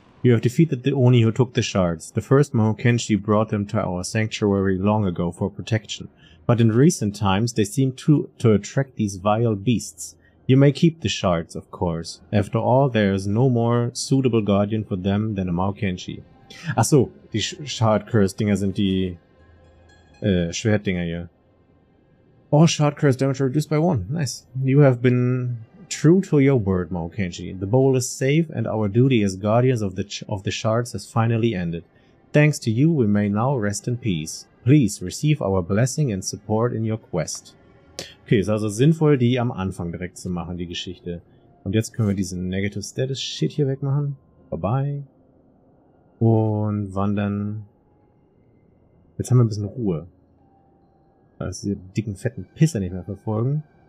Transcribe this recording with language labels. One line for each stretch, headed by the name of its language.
English: You have defeated the Oni who took the shards. The first Mahokenshi brought them to our sanctuary long ago for protection. But in recent times, they seem to attract these vile beasts. You may keep the shards, of course. After all, there is no more suitable guardian for them than a Mahokenshi.
German: Ach so, die shard curse Dinger sind die Schwertdinger hier.
English: All shard curse damage reduced by 1. Nice. You have been true to your word, Mahokenshi. The bowl is safe and our duty as guardians of the shards has finally ended. Thanks to you, we may now rest in peace. Please receive our blessing and support in your quest.
German: Okay, ist also sinnvoll, die am Anfang direkt zu machen, die Geschichte. Und jetzt können wir diesen Negative Status Shit hier wegmachen. Bye bye. Und wandern. Jetzt haben wir ein bisschen Ruhe. Also diese dicken, fetten Pisser nicht mehr verfolgen.